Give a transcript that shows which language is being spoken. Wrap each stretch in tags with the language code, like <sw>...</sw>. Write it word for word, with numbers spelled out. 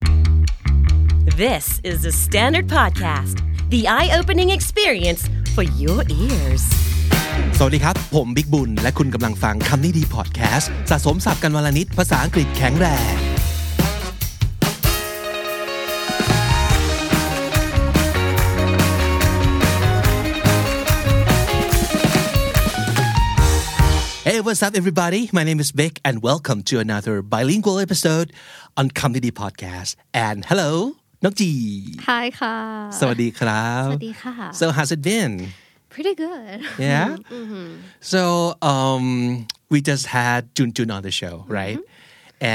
<en>This is the Standard Podcast, the eye-opening experience for your ears.</en> <th>สวัสดีครับผมบิ๊กบุญและคุณกำลังฟังคำนี้ดีพอดแคสต์สะสมศัพท์กันวันละนิดภาษาอังกฤษแข็งแรง</th> <en>Hey, what's up, everybody? My name is Vic, and welcome to another bilingual episode on Comedy Podcast. And hello, Nokji. Hi, ka.</en> <th>สวัสดีครับ สวัสดีค่ะ</th> <en>So how's it been? Pretty good. Yeah. Mm-hmm. So um, we just had Jun Jun on the show, right? Mm-hmm.</en>